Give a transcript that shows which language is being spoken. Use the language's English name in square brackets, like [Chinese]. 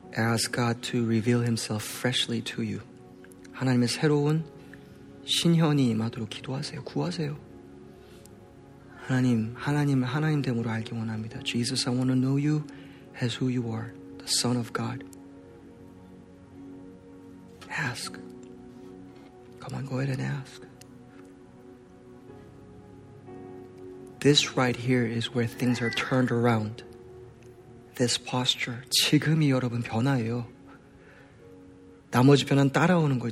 [English] Ask God to reveal himself freshly to you. [Korean] 하나님의 새로운 신현이 임하도록 기도하세요. 구하세요. 하나님, 하나님을 하나님 됨으로 알기 원합니다. [English] Jesus, I want to know you as who you are, the Son of God. Ask. Come on, go ahead and ask. This right here is where things are turned around. This posture. [Korean] 지금이 여러분 변화예요. 나머지 변화는 따라오는 거예요.